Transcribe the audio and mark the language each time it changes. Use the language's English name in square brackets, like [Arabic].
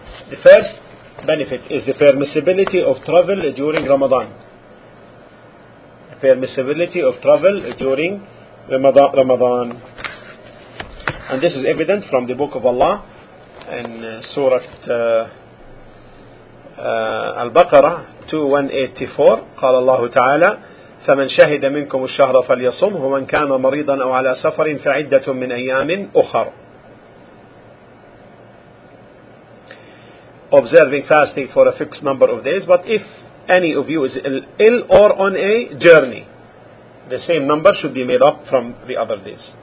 [English] The first benefit is the permissibility of travel during Ramadan. The permissibility of travel during Ramadan. And this is evident from the book of Allah in Surah Al-Baqarah 2184. [Arabic] قال الله تعالى فمن شهد منكم الشهر فليصمه ومن كان مريضا أو على سفر فعدة من أيام أخر. [English] Observing fasting for a fixed number of days, but if any of you is ill or on a journey, the same number should be made up from the other days.